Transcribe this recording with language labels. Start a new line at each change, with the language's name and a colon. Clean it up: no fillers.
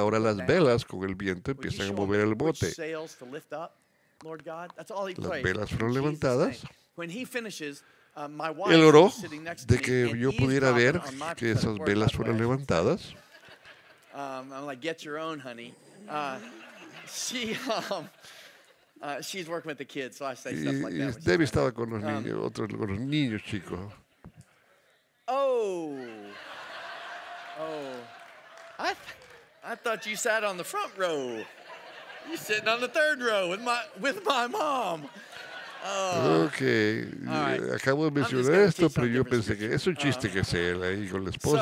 Spanish: Ahora las velas con el viento empiezan a mover el bote. Las velas fueron levantadas. Él oró de que yo pudiera ver que esas velas fueron levantadas.
English: I'm like, get your own, honey. She's working with the kids, so I say stuff like that.
Spanish: Debbie estaba con los niños, otros con los niños chicos.
English: Oh, I thought you sat on the front row. You're sitting on the third row with my mom. Okay, right.
Spanish: Acabo de mencionar esto, pero yo pensé que es un chiste que se él ahí con la esposa.